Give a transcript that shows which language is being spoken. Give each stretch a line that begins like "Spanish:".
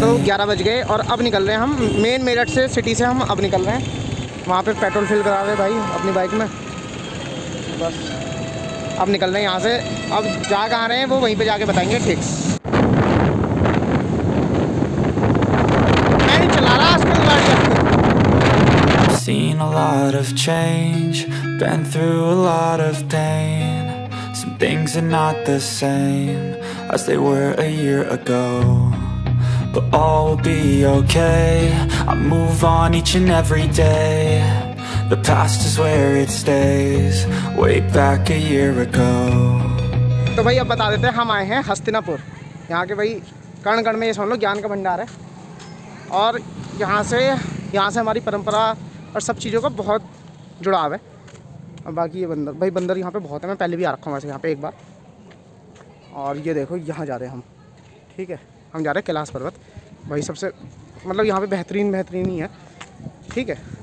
Hindi: तो 11 बज गए और अब निकल रहे हैं हम मेन मेरठ से, सिटी से हम अब निकल रहे हैं। वहाँ पे पेट्रोल फिल करा रहे भाई अपनी बाइक में, बस अब निकल रहे हैं यहाँ से। अब जा कहाँ रहे हैं वो वहीं पे जाके बताएंगे। ठीक, मैं नहीं चला रहा आजकल गाड़ी।
English: I've seen a lot of change, been through a lot of pain. Some things are not the same as they were a year ago, but all will be okay. I move on each and every day. The past is where it stays, way back a year ago.
Hindi: तो भाई अब बता देते हैं, हम आए हैं हस्तिनापुर। यहाँ के भाई कण कण में ये सुन लो ज्ञान का भंडार है, और यहाँ से हमारी परंपरा और सब चीज़ों का बहुत जुड़ाव है। और बाकी ये बंदर भाई, बंदर यहाँ पे बहुत है, मैं पहले भी आ रखा हूँ वैसे यहाँ पे एक बार। और ये देखो यहाँ जा रहे हैं हम, ठीक है, हम जा रहे हैं कैलाश पर्वत भाई, सबसे मतलब यहाँ पे बेहतरीन बेहतरीन ही है, ठीक है।